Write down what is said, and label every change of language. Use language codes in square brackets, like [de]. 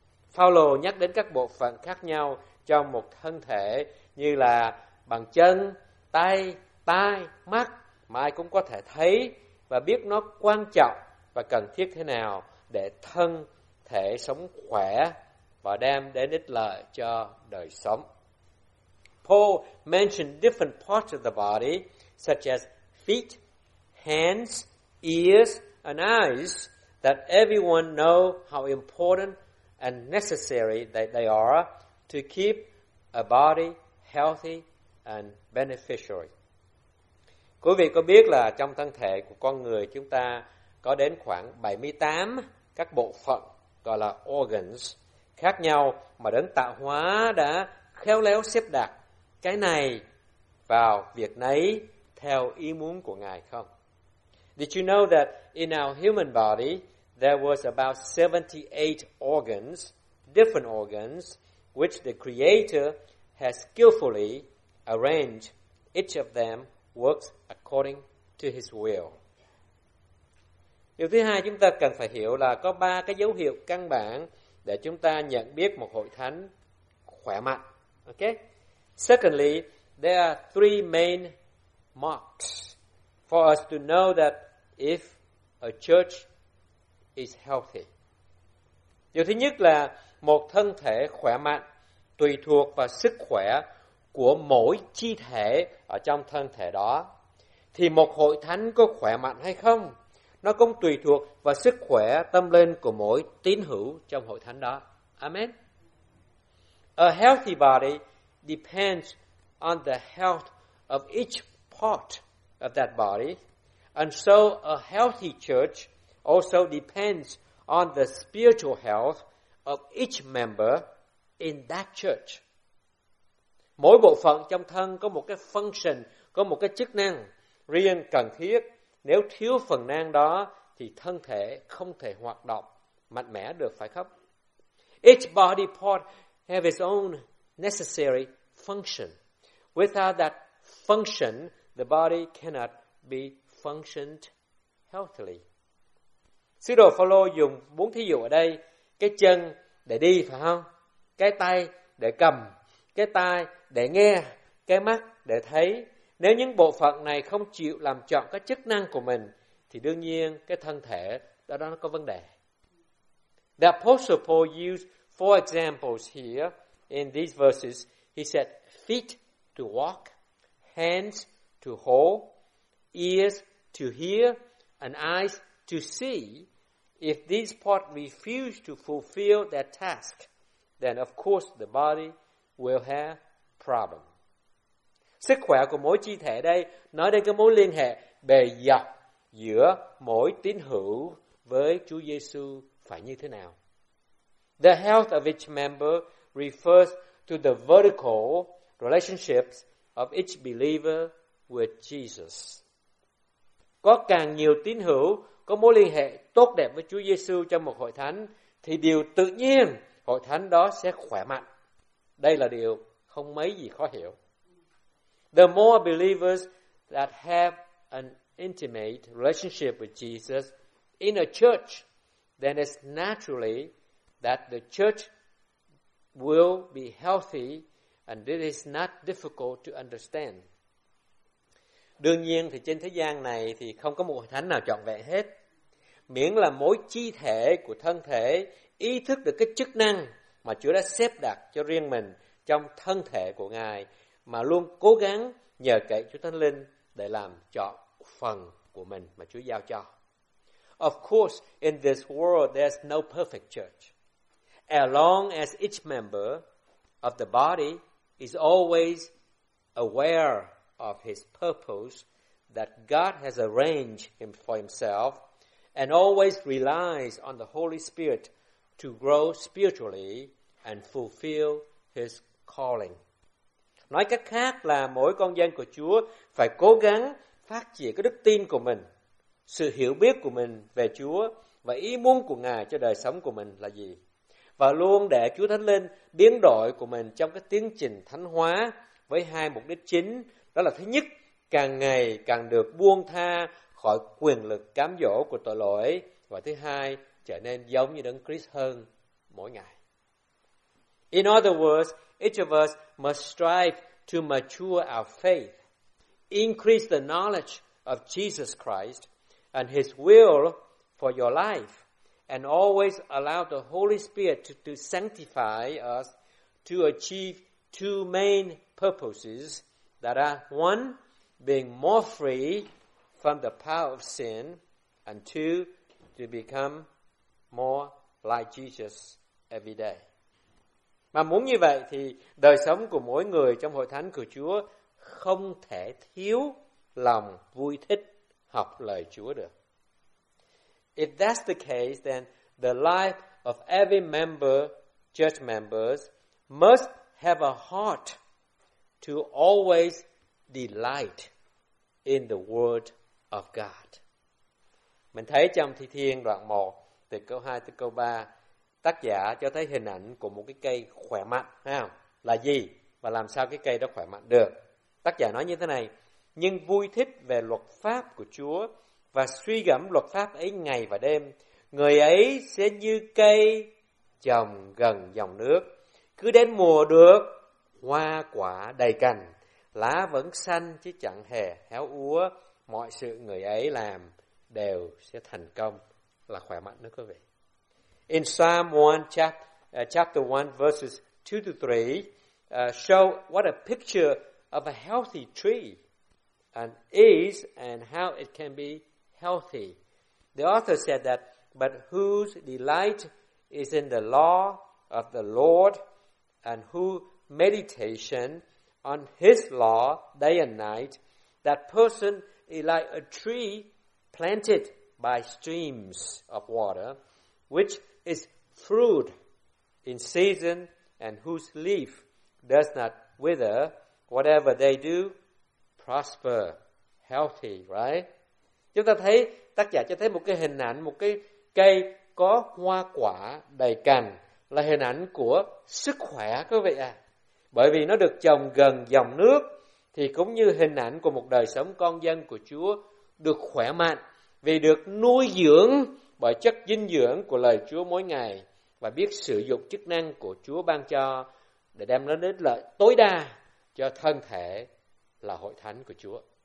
[vi] Phaolô nhắc đến các bộ phận khác nhau trong một thân thể như là bàn chân, tay, tai, mắt mà ai cũng có thể thấy và biết nó quan trọng và cần thiết thế nào để thân thể sống khỏe và đem đến ích lợi cho đời sống. [en] Paul mentioned different parts of the body, such as feet, hands, ears, and eyes, that everyone know how important and necessary that they are to keep a body healthy and beneficial. [vi] Quý vị có biết là trong thân thể của con người chúng ta có đến khoảng 78 các bộ phận gọi là organs khác nhau mà Đấng Tạo Hóa đã khéo léo xếp đặt cái này vào việc nấy theo ý muốn của Ngài không? [en] Did you know that in our human body there was about 78 organs, different organs, which the Creator has skillfully arranged? Each of them works according to His will. [vi] Điều thứ hai chúng ta cần phải hiểu là có ba cái dấu hiệu căn bản để chúng ta nhận biết một hội thánh khỏe mạnh. [en] Okay? Secondly, there are three main marks for us to know that if a church is healthy. [vi] Điều thứ nhất là một thân thể khỏe mạnh tùy thuộc vào sức khỏe của mỗi chi thể ở trong thân thể đó. Thì một hội thánh có khỏe mạnh hay không, nó cũng tùy thuộc vào sức khỏe tâm linh của mỗi tín hữu trong hội thánh đó. Amen. [en] A healthy body depends on the health of each part of that body, and so a healthy church also depends on the spiritual health of each member in that church. [vi] Mỗi bộ phận trong thân có một cái function, có một cái chức năng riêng cần thiết. Nếu thiếu phần năng đó thì thân thể không thể hoạt động mạnh mẽ được, phải không? [en] Each body part have its own necessary function. Without that function, the body cannot be functioned healthily. [vi] Sứ đồ Phaolô dùng bốn thí dụ ở đây: cái chân để đi phải không? Cái tay để cầm, cái tai để nghe, cái mắt để thấy. Nếu những bộ phận này không chịu làm trọn các chức năng của mình thì đương nhiên cái thân thể đó nó có vấn đề. [en] The Apostle Paul used four examples here in these verses. He said feet to walk, hands to hold, ears to hear, and eyes to see. If these parts refuse to fulfill their task, then of course the body will have problem. [vi] Sức khỏe của mỗi chi thể đây nói đến cái mối liên hệ bề dọc giữa mỗi tín hữu với Chúa Giêsu phải như thế nào. [en] The health of each member refers to the vertical relationships of each believer with Jesus. [vi] Có càng nhiều tín hữu có mối liên hệ tốt đẹp với Chúa Giêsu trong một hội thánh thì điều tự nhiên hội thánh đó sẽ khỏe mạnh. Đây là điều không mấy gì khó hiểu. [en] The more believers that have an intimate relationship with Jesus in a church, then it's naturally that the church will be healthy, and this is not difficult to understand. [vi] Đương nhiên thì trên thế gian này thì không có một hội thánh nào trọn vẹn hết. Miễn là mỗi chi thể của thân thể ý thức được cái chức năng mà Chúa đã xếp đặt cho riêng mình trong thân thể của Ngài, mà luôn cố gắng nhờ cậy Chúa Thánh Linh để làm trọn phần của mình mà Chúa giao cho. [en] Of course, in this world there's no perfect church. As long as each member of the body is always aware of his purpose that God has arranged him for himself and always relies on the Holy Spirit to grow spiritually and fulfill his calling. [vi] Nói cách khác là mỗi con dân của Chúa phải cố gắng phát triển cái đức tin của mình, sự hiểu biết của mình về Chúa và ý muốn của Ngài cho đời sống của mình là gì, và luôn để Chúa Thánh Linh biến đổi của mình trong cái tiến trình thánh hóa với hai mục đích chính. Đó là thứ nhất, càng ngày càng được buông tha khỏi quyền lực cám dỗ của tội lỗi, và thứ hai, trở nên giống như Đấng Christ hơn mỗi ngày. [en] In other words, each of us must strive to mature our faith, increase the knowledge of Jesus Christ and His will for your life, and always allow the Holy Spirit to sanctify us to achieve two main purposes that are, one, being more free from the power of sin, and two, to become more like Jesus every day. [vi] Mà muốn như vậy thì đời sống của mỗi người trong hội thánh của Chúa không thể thiếu lòng vui thích học lời Chúa được. [en] If that's the case, then the life of every member, church members, must have a heart to always delight in the Word of God. [vi] Mình thấy trong Thi Thiên đoạn 1, từ câu 2 tới câu 3, tác giả cho thấy hình ảnh của một cái cây khỏe mạnh, không? Là gì? Và làm sao cái cây đó khỏe mạnh được? Tác giả nói như thế này, nhưng vui thích về luật pháp của Chúa và suy gẫm luật pháp ấy ngày và đêm, người ấy sẽ như cây trồng gần dòng nước, cứ đến mùa được hoa quả đầy cành, lá vẫn xanh chứ chẳng hề héo úa, mọi sự người ấy làm đều sẽ thành công, là khỏe mạnh đó quý vị. [en] In Psalm 1 chapter 1 verses 2 to 3 show what a picture of a healthy tree and is and how it can be healthy. The author said that, but whose delight is in the law of the Lord, and whose meditation on his law day and night, that person is like a tree planted by streams of water, which is fruit in season, and whose leaf does not wither, whatever they do, prosper, healthy, right? [vi] Chúng ta thấy, tác giả cho thấy một cái hình ảnh, một cái cây có hoa quả đầy cành, là hình ảnh của sức khỏe, quý vị à. Bởi vì nó được trồng gần dòng nước, thì cũng như hình ảnh của một đời sống con dân của Chúa được khỏe mạnh, vì được nuôi dưỡng bởi chất dinh dưỡng của lời Chúa mỗi ngày, và biết sử dụng chức năng của Chúa ban cho để đem nó đến lợi tối đa cho thân thể là hội thánh của Chúa.